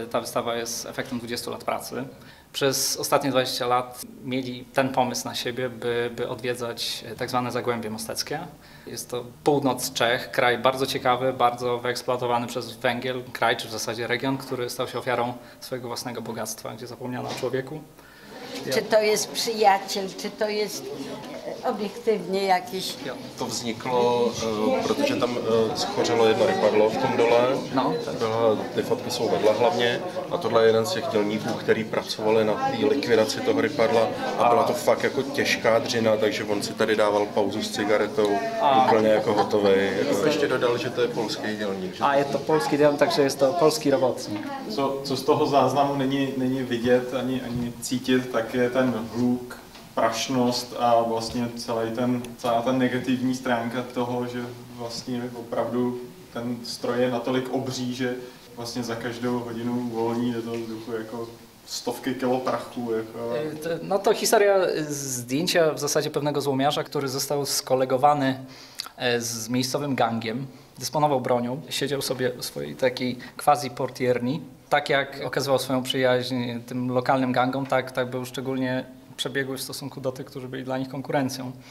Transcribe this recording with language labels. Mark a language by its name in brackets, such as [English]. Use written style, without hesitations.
[Polish] Ta wystawa jest efektem 20 lat pracy. Przez ostatnie 20 lat mieli ten pomysł na siebie, by odwiedzać tak zwane Zagłębie Mosteckie. Jest to północ Czech, kraj bardzo ciekawy, bardzo wyeksploatowany przez węgiel, kraj czy w zasadzie region, który stał się ofiarą swojego własnego bogactwa, gdzie zapomniano o człowieku. Czy to jest przyjaciel, czy to jest obiektywnie jakieś. [Czech] To vzniklo, protože tam schořelo jedno rypadlo v tom dole. No. Ty fotky jsou vedla hlavně. A tohle je jeden z těch dělníků, který pracovali na té likvidaci toho rypadla. A byla to fakt jako těžká dřina, takže on si tady dával pauzu s cigaretou. Úplně jako hotový. Ještě dodal, že to je polský dělník. A je to polský dělník, takže je to polský robotník. Co z toho záznamu není vidět ani cítit, tak je ten hluk, prašnost a vlastně celá ta negativní stránka toho, že vlastně opravdu ten stroj je natolik obří, že vlastně za každou hodinu uvolní do toho vzduchu jako stovky kilo prachu. Jako. [Polish] No to historia zdjęcia w zasadzie pewnego złomiarza, który został skolegowany z miejscowym gangiem, dysponował bronią, siedział sobie w swojej takiej quasi portierni. Tak jak okazywał swoją przyjaźń tym lokalnym gangom, tak był szczególnie przebiegły w stosunku do tych, którzy byli dla nich konkurencją.